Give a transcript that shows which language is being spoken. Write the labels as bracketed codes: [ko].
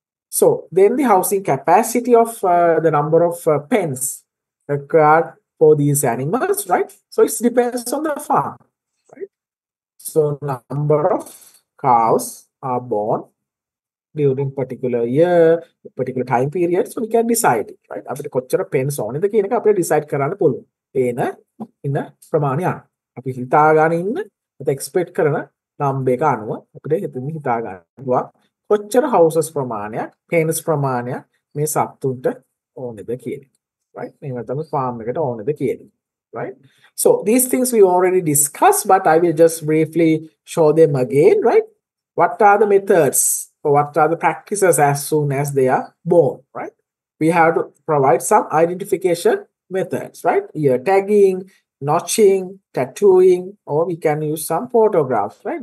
[en] So then the housing capacity of the number of pens required for these animals, right? So it depends on the farm, right? So number of cows are born during particular year, particular time period, so we can decide it, right? [si] අපිට කොච්චර pens ඕනද කියන එක අපිට decide කරන්න පුළුවන්. එන ඉන ප්‍රමාණය අනුව. අපි හිතාගෙන ඉන්න අපිට expect කරන number එක අනුව අපිට හිතමින් හිතා ගන්නවා කොච්චර houses ප්‍රමාණයක් pens ප්‍රමාණයක් මේ සත්තුන්ට ඕනද කියන එක. Right? මේ වතම farm එකට ඕනද කියන එක. [en] Right? So these things we already discussed, but I will just briefly show them again, right? What are the methods or what are the practices as soon as they are born, right? We have to provide some identification methods, right? Ear tagging, notching, tattooing, or we can use some photographs, right?